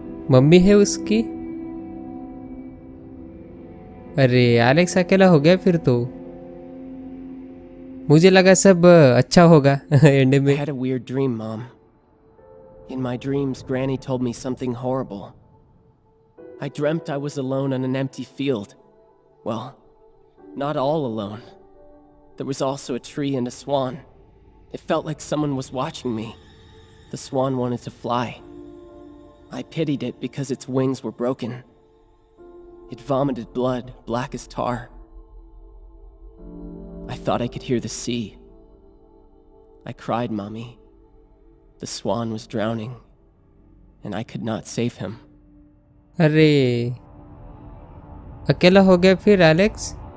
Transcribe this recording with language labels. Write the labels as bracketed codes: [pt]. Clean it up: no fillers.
[hi] Mummy है उसकी। अरे एलेक्स अकेला हो गया फिर तो। मुझे लगा सब अच्छा होगा एंड में। I had a weird dream, Mom. [en] In my dreams, Granny told me something horrible. I dreamt I was alone on an empty field. Well, not all alone. There was also a tree and a swan. It felt like someone was watching me. The swan wanted to fly. I pitied it because its wings were broken. It vomited blood, black as tar. I thought I could hear the sea. I cried, Mommy. The swan was drowning, and I could not save him. [hi] अरे अकेला हो गया फिर Alex?